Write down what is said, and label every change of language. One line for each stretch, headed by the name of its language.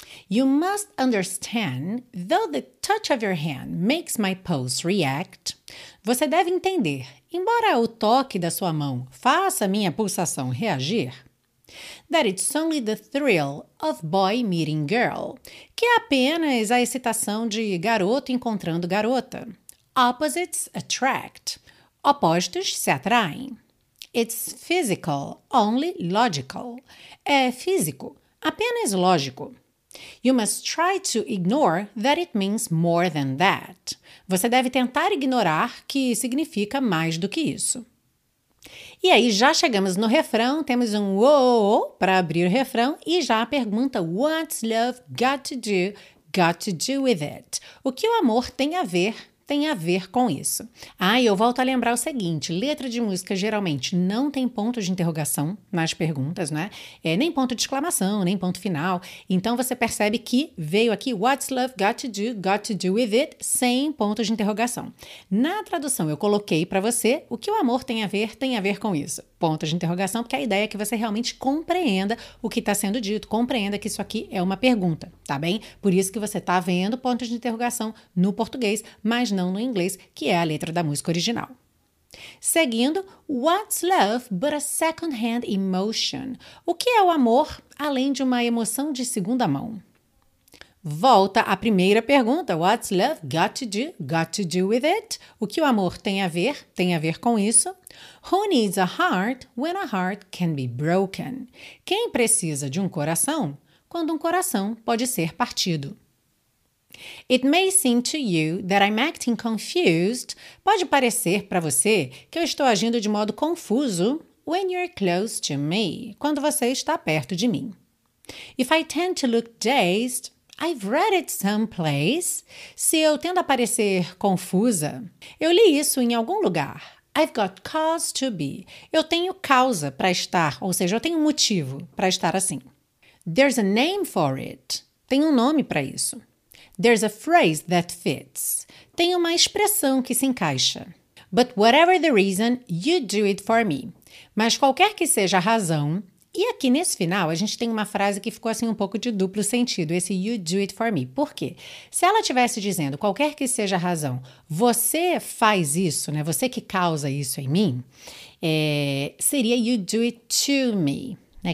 English: You must understand, though the touch of your hand makes my pulse react.
Portuguese: Você deve entender, embora o toque da sua mão faça minha pulsação reagir,
English: that it's only the thrill of boy meeting girl,
Portuguese: que é apenas a excitação de garoto encontrando garota.
English: Opposites attract,
Portuguese: opostos se atraem.
English: It's physical, only logical.
Portuguese: É físico, apenas lógico.
English: You must try to ignore that it means more than that.
Portuguese: Você deve tentar ignorar que significa mais do que isso. E aí já chegamos no refrão, temos um whoa para abrir o refrão e já a pergunta
English: what's love got to do with it?
Portuguese: O que o amor tem a ver com isso? Ah, e eu volto a lembrar o seguinte, letra de música geralmente não tem ponto de interrogação nas perguntas, né? É, nem ponto de exclamação, nem ponto final. Então você percebe que veio aqui
English: what's love got to do with it,
Portuguese: sem ponto de interrogação. Na tradução eu coloquei para você o que o amor tem a ver com isso. Ponto de interrogação, porque a ideia é que você realmente compreenda o que está sendo dito, compreenda que isso aqui é uma pergunta, tá bem? Por isso que você está vendo ponto de interrogação no português, mas não no inglês, que é a letra da música original. Seguindo,
English: what's love but a second-hand emotion?
Portuguese: O que é o amor além de uma emoção de segunda mão? Volta à primeira pergunta,
English: what's love got to do with it?
Portuguese: O que o amor tem a ver com isso?
English: Who needs a heart when a heart can be broken?
Portuguese: Quem precisa de um coração quando um coração pode ser partido?
English: It may seem to you that I'm acting confused.
Portuguese: Pode parecer para você que eu estou agindo de modo confuso
English: when you're close to me,
Portuguese: quando você está perto de mim.
English: If I tend to look dazed, I've read it someplace.
Portuguese: Se eu tendo a parecer confusa, eu li isso em algum lugar.
English: I've got cause to be.
Portuguese: Eu tenho causa para estar, ou seja, eu tenho motivo para estar assim.
English: There's a name for it.
Portuguese: Tem um nome para isso.
English: There's a phrase that fits.
Portuguese: tem uma expressão que se encaixa.
English: But whatever the reason, you do it for me.
Portuguese: Mas qualquer que seja a razão, e aqui nesse final a gente tem uma frase que ficou assim um pouco de duplo sentido, esse
English: you do it for me.
Portuguese: Por quê? Se ela estivesse dizendo, qualquer que seja a razão, você faz isso, né? Você que causa isso em mim, seria
English: you do it to me,
Portuguese: né?